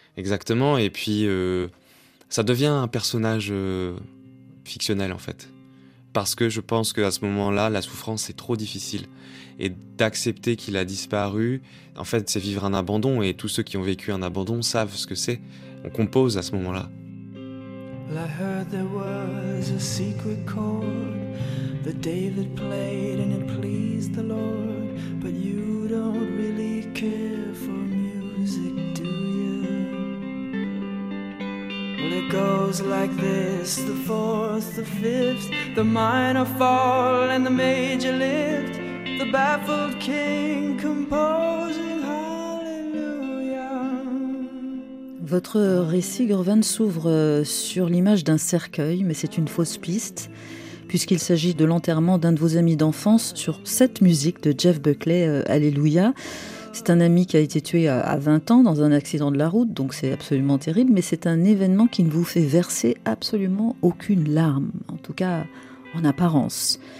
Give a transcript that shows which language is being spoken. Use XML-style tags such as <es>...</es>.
<fr>Exactement, et puis ça devient un personnage fictionnel en fait. Parce que je pense qu'à ce moment-là, la souffrance est trop difficile. Et d'accepter qu'il a disparu, en fait, c'est vivre un abandon. Et tous ceux qui ont vécu un abandon savent ce que c'est. On compose à ce moment-là.</fr> <en>Well, I heard there was a secret chord. The David played and it pleased the Lord. But you don't really care for music, do you? Well, it goes like this, the fourth, the fifth, the minor fall and the major lift, the baffled king composing hallelujah.</en> <fr>Votre récit, Gurvan, s'ouvre sur l'image d'un cercueil, mais c'est une fausse piste. Puisqu'il s'agit de l'enterrement d'un de vos amis d'enfance sur cette musique de Jeff Buckley, Alléluia. C'est un ami qui a été tué à 20 ans dans un accident de la route, donc c'est absolument terrible, mais c'est un événement qui ne vous fait verser absolument aucune larme, en tout cas en apparence.</fr>